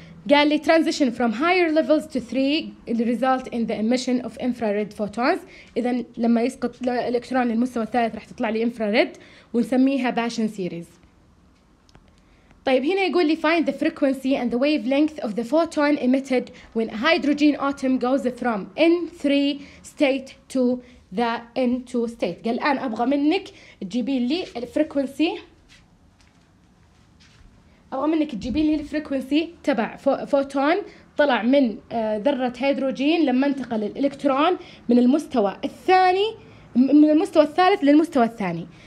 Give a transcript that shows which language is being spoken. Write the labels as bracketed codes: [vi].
[ar] قال لي [en] transition from higher levels to three result in the emission of infrared photons. [ar] إذا لما يسقط الإلكترون للمستوى الثالث راح تطلع لي infrared ونسميها Bashan series. طيب هنا يقول لي [en] find the frequency and the wavelength of the photon emitted when a hydrogen atom goes from N3 state to the N2 state. [ar] قال الآن أبغى منك تجيبي لي الفريكونسي، أبغى منك تجيبين لي الفريكوينسي تبع فوتون طلع من ذرة هيدروجين لما انتقل الإلكترون من المستوى الثاني من المستوى الثالث للمستوى الثاني.